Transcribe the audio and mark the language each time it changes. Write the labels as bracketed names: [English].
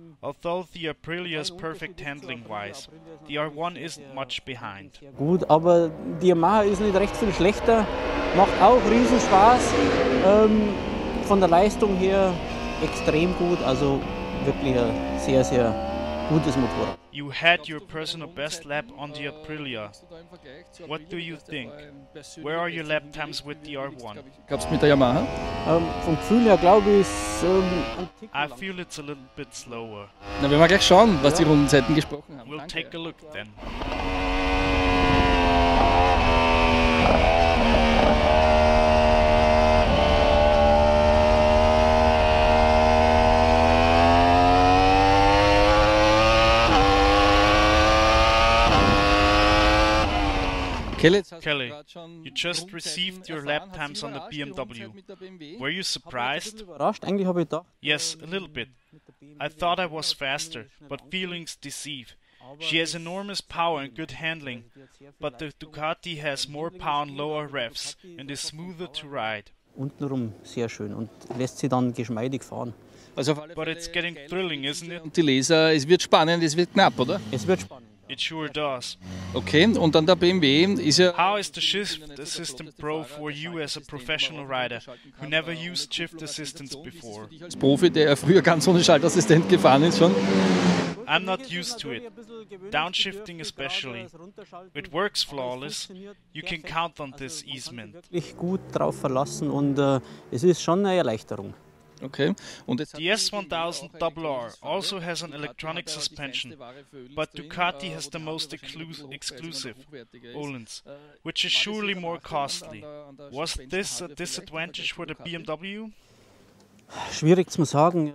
[English] Although the Aprilia is perfect handling wise, the R1 isn't much behind. [German] Gut, aber die Yamaha ist nicht recht viel schlechter. Macht auch riesen Spaß. Von der Leistung her extrem gut, also wirklich ein sehr, sehr gutes Motorrad. [English] You had your personal best lap on the Aprilia. What do you think? Where are your lap times with the R1? [German] Gab's mit der Yamaha? Vom Gefühl her glaube ich, [English] I feel it's a little bit slower. [German] Na, wir mal gleich schauen, was die Rundenzeiten gesprochen haben. [English] We'll take a look then. Kelly, you just received your lap times on the BMW. Were you surprised? Yes, a little bit. I thought I was faster, but feelings deceive. She has enormous power and good handling, but the Ducati has more power and lower revs and is smoother to ride. [German] Untenrum sehr schön und lässt sie dann geschmeidig fahren. [English] But it's getting thrilling, isn't it? [German] Die Leser, es wird spannend, es wird knapp, oder? Es wird spannend. [English] It sure does. [German] Okay, und dann der BMW ist ja. [English] How is the shift assistant pro for you as a professional rider who never used shift assistants before? [German] Als Profi, der früher ganz ohne Schaltassistent gefahren ist schon. [English] I'm not used to it, downshifting especially. It works flawless. You can count on this easement. [German] Wirklich gut drauf verlassen und es ist schon eine Erleichterung. Okay. [English] Und the S1000RR also has an electronic suspension, but Ducati has the most exclusive, Ohlins, which is surely more costly. Was this a disadvantage for the BMW? [German] Schwierig zu sagen.